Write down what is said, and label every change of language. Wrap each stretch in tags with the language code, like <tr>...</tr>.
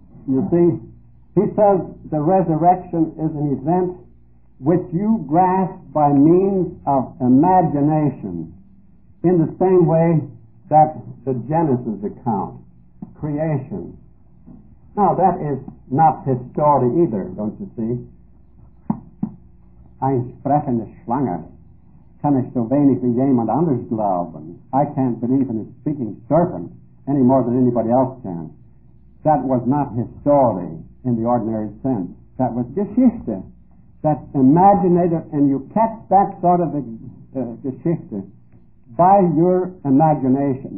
<en>You see, he says the resurrection is an event which you grasp by means of imagination, in the same way that the Genesis account, creation. Now, that is not Historie either, don't you see?</en> <de>Ein sprechende Schlange. Kann ich so wenig wie jemand anders glauben?</de> <en>I can't believe in a speaking serpent any more than anybody else can. That was not Historie in the ordinary sense. That was Geschichte. That's imaginative, and you catch that sort of Geschichte by your imagination.</en>